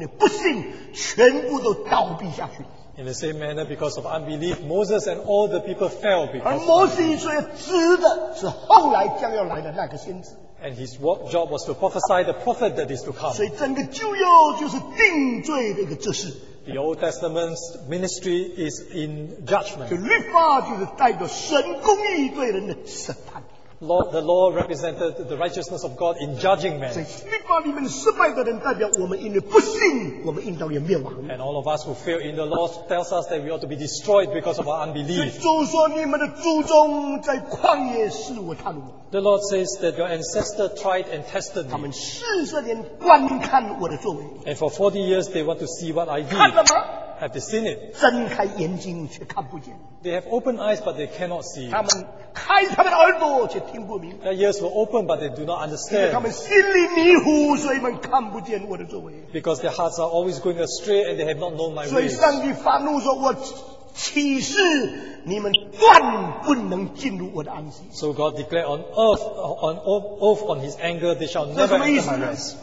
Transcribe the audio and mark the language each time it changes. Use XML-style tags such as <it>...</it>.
<zh>所以摩西跟以色列人40年在旷野的结果因为不信全部都</zh> <en>In the same manner, because of unbelief, Moses and all the people fell because.</en> <zh>而摩西所指的是后来将要来的那个先知。</zh> <en>And his job was to prophesy the prophet that is to come.</en> <zh>所以整个旧约就是定罪的一个执事。</zh> <en>The Old Testament's ministry is in judgment.</en> <zh>就律法就是代表神公义对人的审判。</zh> <en>Law, the law represented the righteousness of God in judging men. And all of us who fail in the law tells us that we ought to be destroyed because of our unbelief. The Lord says that your ancestor tried and tested me. And for 40 years they want to see what I did. Have they seen it?</en> <zh>睁开眼睛却看不见。</zh> <en>They have open eyes, but they cannot see.</en> <zh>他们开他们的耳朵却听不明。</zh> <en>Their ears were open, but they do not understand.</en> <zh>因为他们心里迷糊，所以他们看不见我的作为。</zh> <en>Because their hearts are always going astray, and they have not known my ways.</en> <zh>所以上帝发怒说：“我岂是你们断不能进入我的安息？”</zh> <en>So God declared on oath on His anger, they shall never enter my rest.</en>